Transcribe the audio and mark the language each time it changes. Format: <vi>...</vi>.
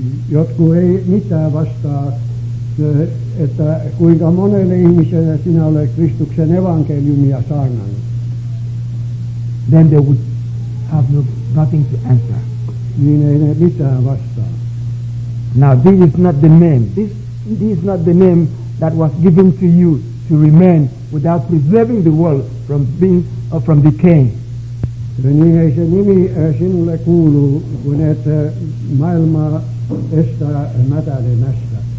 <fi>Jotkut ei mitään vastaa, että kuinka monelle ihmiselle sinä olet Kristuksen evankeliumia saarnannut.</fi> <en>Then they would have nothing to answer.</en> <fi>Niin ei ne mitään vastaa.</fi> <en>Now this is not the name. This is not the name that was given to you to remain without preserving the world from being or from decaying.</en> <fi>Niin ei se nimi sinulle kuulu, kun et maailma estää mätänemästä.</fi>